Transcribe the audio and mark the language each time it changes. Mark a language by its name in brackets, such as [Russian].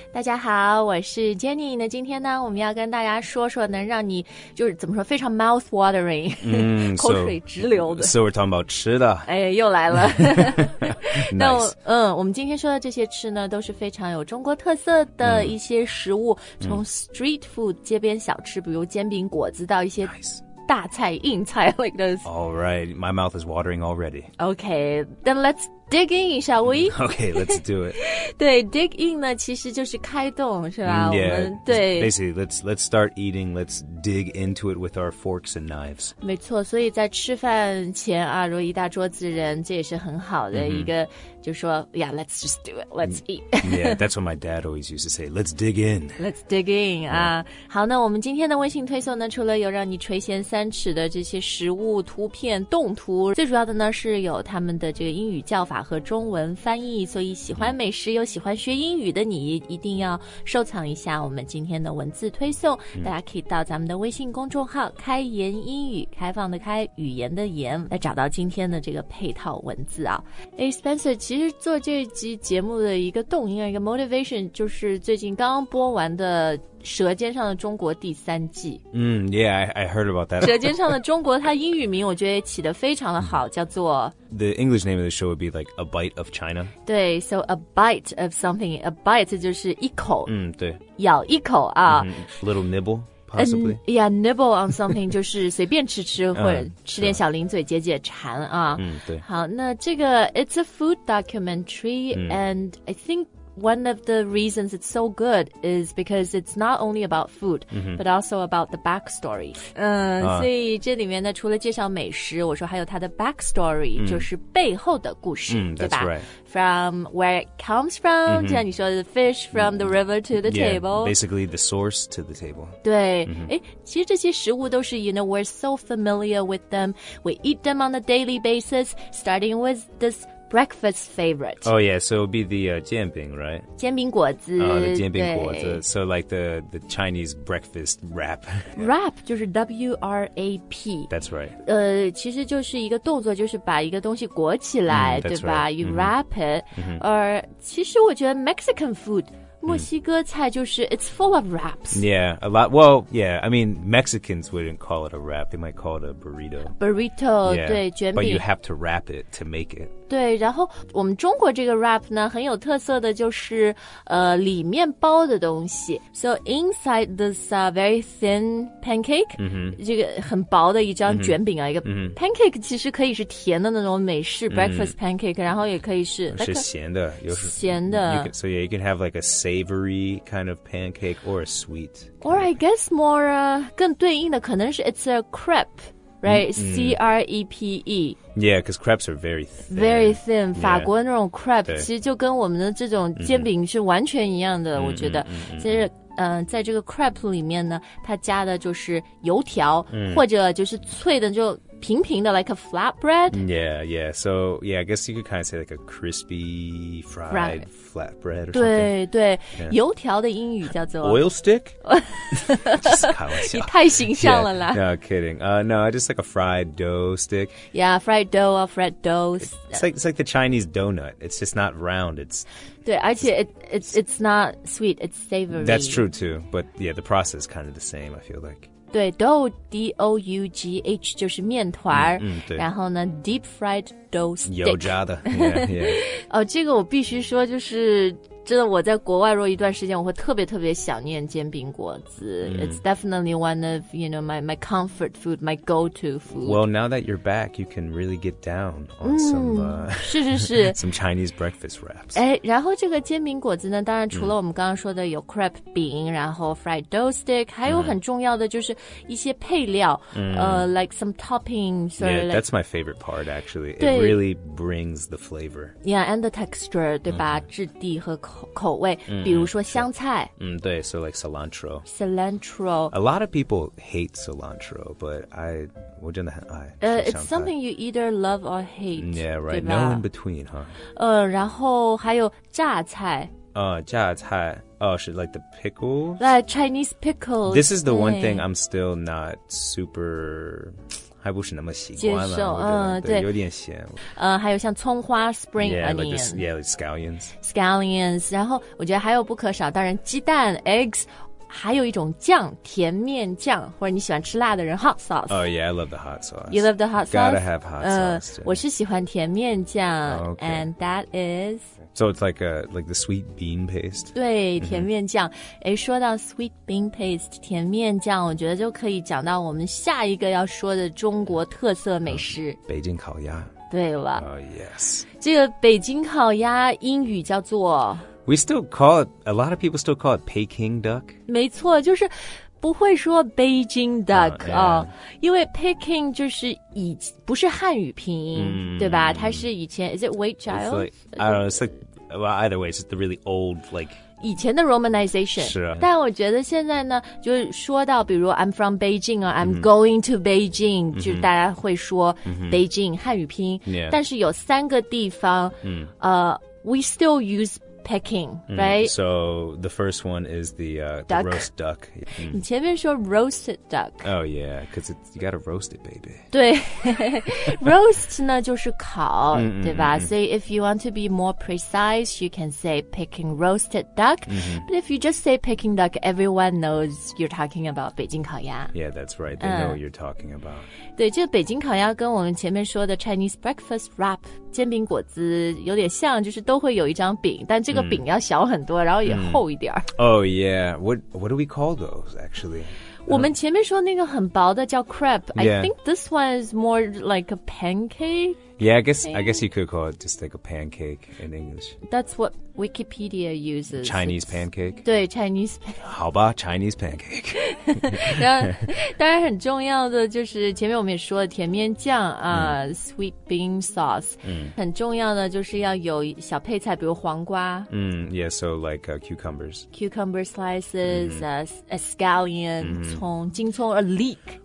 [Chinese] 大家好，我是 Jenny。那今天呢，我们要跟大家说说能让你就是怎么说非常 [English] mouth watering、 [Chinese] 口水直流的。 [English] So we're talking about [Chinese] 吃的。哎，又来了。 [English] Nice。 [Chinese] 我们今天说的这些吃呢，都是非常有中国特色的一些食物、从 street food 街边小吃，比如煎饼果子，到一些、 [English] nice. [Chinese] 大菜硬菜 [English] like those. All right, my mouth is watering already. Okay, then let's dig in, shall we? Okay, let's do it. [Chinese] 对 dig in 呢其实就是开动是吧、 [English] yeah, [Chinese] 我们对 [English] basically, let's start eating, let's dig into it with our forks and knives. [Chinese] 没错，所以在吃饭前啊，如果一大桌子人，这也是很好的一个、就说 [English] yeah, let's just do it, let's eat. Yeah, that's what my dad always used to say, let's dig in. Let's dig in, [Chinese] 啊、好，那我们今天的微信推送呢，除了有让你垂涎三尺的这些食物图片动图，最主要的呢是有他们的这个英语叫法和中文翻译，所以喜欢美食又喜欢学英语的你一定要收藏一下我们今天的文字推送、大家可以到咱们的微信公众号开言英语，开放的开，语言的言，来找到今天的这个配套文字啊。哎 Spencer, 其实做这集节目的一个动因，一个 motivation 就是最近刚刚播完的舌尖上的中国第三季。 [English] Yeah, I heard about that. [Chinese] 舌尖上的中国它英语名我觉得起得非常的好，叫做 [English] The English name of the show would be like A Bite of China. 对 so a bite of something, a bite [Chinese] 就是一口。对。咬一口啊。 [English] Little nibble, possibly. Yeah, nibble on something [Chinese] 就是随便吃吃或者吃点小零嘴解解馋啊。对。好那这个 [English] It's a food documentary, and I thinkOne of the reasons it's so good is because it's not only about food,、but also about the backstory. [Chinese] 所以这里面呢，除了介绍美食，我说还有它的 backstory,、就是背后的故事，对吧 [English] ？That's right. From where it comes from,、 [Chinese] 就像你说的 [English] fish from、the river to the table. Yeah, basically the source to the table. [Chinese] 对，其实这些食物都是 [English] you know we're so familiar with them. We eat them on a daily basis, starting with this. Breakfast favorite. Oh, yeah, so it would be the 煎饼, right? [Chinese] 煎饼果子。 [English] The 煎饼果子。So like the Chinese breakfast wrap. Wrap 就是 W-R-A-P. That's right. [Chinese] 其实就是一个动作就是把一个东西裹起来、对吧、 [English] right. You wrap it. [Chinese] 而其实我觉得 [English] Mexican food, [Chinese] 墨西哥菜就是 [English] it's full of wraps. Yeah, a lot. Well, yeah, I mean, Mexicans wouldn't call it a wrap. They might call it a burrito. Burrito, yeah, [Chinese] 对，卷饼。 [English] But you have to wrap it to make it. [Chinese] 对，然后我们中国这个 wrap 呢，很有特色的就是里面包的东西。 [English] So inside this very thin pancake,、 [Chinese] 这个很薄的一张卷饼啊、一个 pancake 其实可以是甜的那种美式 breakfast pancake,、然后也可以是 like, 是咸的，又是咸的。 [English] So yeah, you can have like a savory kind of pancake or a sweet kind of pancake. I guess more [Chinese] 更对应的可能是 [English] it's a crepe right、C-R-E-P-E yeah because crepes are very thin [Chinese] very thin、法国那种 crepe 其实就跟我们的这种煎饼是完全一样的、我觉得其实在这个 crepe 里面呢它加的就是油条、或者就是脆的就平平的 [English] like a flatbread yeah yeah so yeah I guess you could kind of say like a crispy fried、 right. flatbread or [Chinese] 对 [English] something [Chinese] 对对油条的英语叫做 [English] oil stick just [Chinese] 开玩笑太形象了啦 [English] yeah, no kidding no just like a fried dough stick yeah fried dough or fried dough it's like the Chinese donut it's just not round it's [Chinese] 对而且 [English] it's not sweet it's savory that's true too but yeah the process is kind of the same I feel like 对 dough, D-O-U-G-H, [Chinese] 就是面团、然后呢 [English] deep fried dough stick. [Chinese] 油炸的 [English] yeah, yeah. [Chinese] 哦这个我必须说就是真的我在国外若一段时间我会特别特别想念煎饼果子、 [English] It's definitely one of, you know, my comfort food, my go-to food. Well, now that you're back, you can really get down on some, [Chinese] 是是是 [English] some Chinese breakfast wraps. [Chinese] 哎然后这个煎饼果子呢当然除了我们刚刚说的有 crepe 饼然后 fried dough stick, 还有很重要的就是一些配料、 [English] like some toppings. Yeah, like, that's my favorite part, actually. It really brings the flavor. Yeah, and the texture, [Chinese] 对吧、质地和口味比如说香菜 [English] 对 so like cilantro cilantro a lot of people hate cilantro but I [Chinese] 我真的很爱 [English] it's something you either love or hate yeah right no in between huh [Chinese] 然后还有榨菜榨菜是 [English] like the pickles like Chinese pickles this is the one thing I'm still not super [Chinese] 还不是那么习惯了，接受，对，有点咸。还有像葱花 spring onions， [English] yeah, like scallions， scallions。 [Chinese] 然后我觉得还有不可少，当然鸡蛋 eggs， 还有一种酱，甜面酱，或者你喜欢吃辣的人 hot sauce。 [English] Oh yeah, I love the hot sauce. You love the hot sauce. Gotta have hot sauce. [Chinese] 我是喜欢甜面酱、 [English] okay. ，and that is. So it's like, like the sweet bean paste. [Chinese] 对，甜面酱。Mm-hmm. 诶，说到 sweet bean paste, 甜面酱，我觉得就可以讲到我们下一个要说的中国特色美食。北京烤鸭。对了。 [English] Oh, yes. [Chinese] 这个北京烤鸭英语叫做 [English] We still call it, a lot of people still call it Peking duck. [Chinese] 没错，就是不会说 Beijing duck, 因为 Peking 就是以不是汉语拼音、mm. 对吧它是以前 [English] Is it Wade Giles? It's like, I don't know, it's like, well, either way, it's the really old, like, [Chinese] 以前的 Romanization 是、啊、但我觉得现在呢就说到比如 [English] I'm from Beijing or I'm、 [Chinese] mm. [English] going to Beijing、 [Chinese] mm-hmm. 就大家会说 Beijing、mm-hmm. 汉语拼音、 [English] yeah. [Chinese] 但是有三个地方、mm. [English] We still usePeking, right?、 Mm, so the first one is the roast duck.、 Mm. [Chinese] 你前面说 roasted duck. [English] Oh yeah, because you gotta roast it, baby. [Chinese] 对 roast 呢就是烤、mm-hmm. 对吧 [English] So if you want to be more precise, you can say Peking roasted duck.、 Mm-hmm. But if you just say Peking duck, everyone knows you're talking about 北京烤鸭 Yeah, that's right. They、know what you're talking about. [Chinese] 对这北京烤鸭跟我们前面说的 Chinese breakfast wrap, 煎饼果子有点像就是都会有一张饼但这个饼要小很多、mm. 然后也厚一点、 mm. [English] Oh yeah, what do we call those actually? [Chinese] 我们前面说那个很薄的叫 crepe、 [English] yeah. I think this one is more like a pancake Yeah, I guess you could call it just like a pancake in English That's what Wikipedia uses Chinese、It's, pancake 对 Chinese pancake [Chinese] 好吧 [English] Chinese pancake [Chinese] 当然很重要的就是前面我们也说了甜面酱、sweet bean sauce、 mm. 很重要的就是要有小配菜比如黄瓜、 [English] mm, Yeah, so like、cucumbers Cucumber slices、mm. A scallion、mm. [Chinese] 葱金葱 A leek